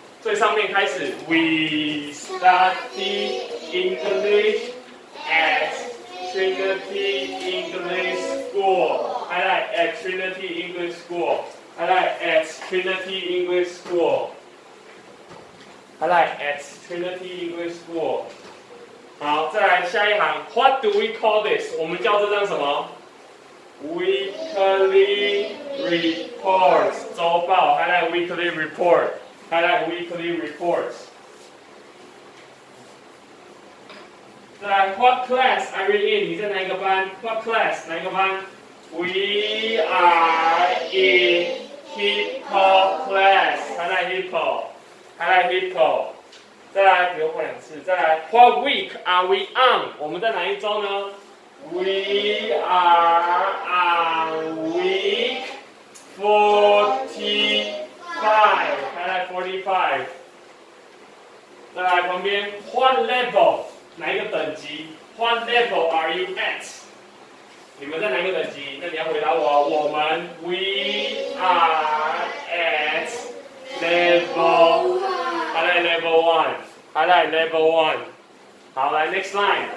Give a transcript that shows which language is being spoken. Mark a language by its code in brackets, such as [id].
[en] 最上面开始，We study English at Trinity English School. I like at Trinity English School. I like at Trinity English School. I like at Trinity English School. 好，再来下一行。What do we call this? [zh] 我们叫这张什么 ？ Weekly reports. [en] 周报。 I like weekly report. I like weekly reports. 再来 ，What class are you in? [zh] 你在哪一个班 ？ What class? [en] 哪一个班？We are in hip hop class. I like hip hop. I like hip hop. 再来，比如换两次。再来 ，What week are we on? 我们在哪一周呢？We are on week 45. I like 45. 再来旁边 ，What level? 哪一个等级？What level are you at? [zh] 你们在哪一个等级？那你要回答我。 [en] 我们 ，We are at level. I like level one. 好，来 next line.